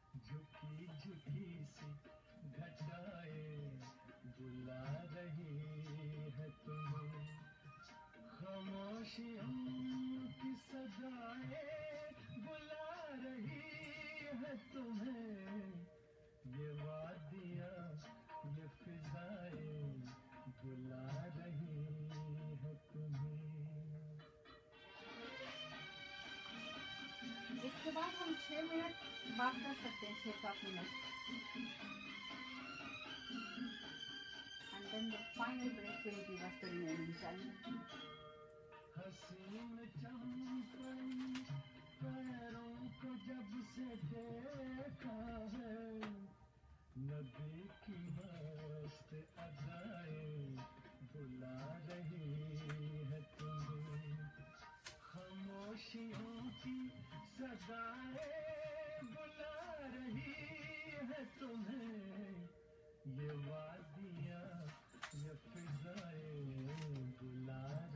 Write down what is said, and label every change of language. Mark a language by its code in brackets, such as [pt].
[hi] झुकी झुकी सी घटाए बुला रही है तुम खामोशियों की सजाए बुला रही है तुम्हें ये वादियाँ ये फिजाएं बुला रही है तुम्हें। इसके बाद हम 6 मिनट बात कर सकते हैं, [en] 6-7 minute and then the final break will give us the remaining time. [hi] हसीन चमकन पैरों को जब से देखा है नबी की मस्त अदाए बुला रही है तुम्हें खामोशियों की सदाए बुला रही है तुम्हें ये वादियाँ ये फिजाए बुला रही।